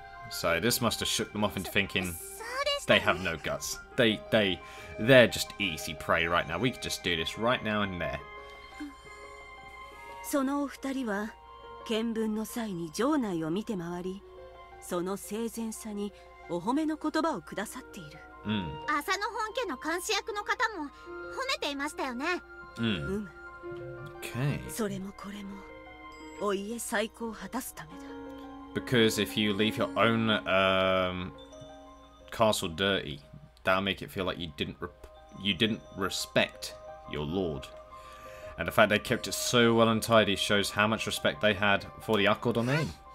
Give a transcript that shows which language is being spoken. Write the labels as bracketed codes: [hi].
[en] So this must have shook them off into thinking they have no guts. They're just easy prey right now. We could just do this right now and there. [ja] その2人は見聞の際に城内を見て回り、その整然さにお褒めの言葉をくださっている。朝の本家の監視役の方も褒めていましたよね。 [en] Okay. [ja] それもこれもお家再興を果たすためだ。 [en] Because if you leave your own castle dirty, that'll make it feel like you didn't respect your lord. And the fact they kept it so well and tidy shows how much respect they had for the Akodo name.